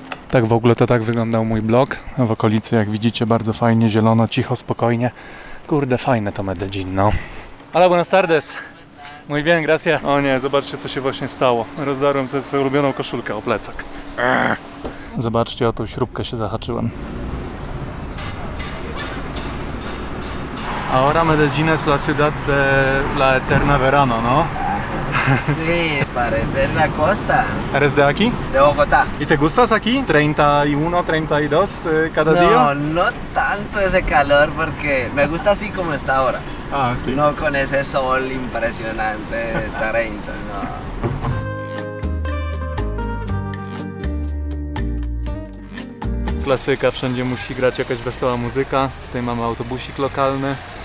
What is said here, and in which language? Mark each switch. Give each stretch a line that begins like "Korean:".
Polish: Tak w ogóle to tak wyglądał mój blog. W okolicy, jak widzicie, bardzo fajnie, zielono, cicho, spokojnie. Kurde, fajne to Medellin, no.
Spanish: Hola, buenas tardes. Muy bien, gracias.
Polish: O nie, zobaczcie, co się właśnie stało. Rozdarłem sobie swoją ulubioną koszulkę o plecak. Zobaczcie, o tą śrubkę się zahaczyłem.
Spanish: Ahora Medellín es la ciudad de la eterna verano, ¿no? Sí, parece la costa. ¿Eres de aquí? De Bogotá. ¿Y te gustas aquí? ¿31, 32 cada no, día? No, no tanto ese calor porque me gusta así como está ahora. Ah, sí. No con ese sol impresionante de 30, no.
Polish: Klasyka, wszędzie musi grać jakaś wesoła muzyka. Tutaj mamy autobusik lokalny.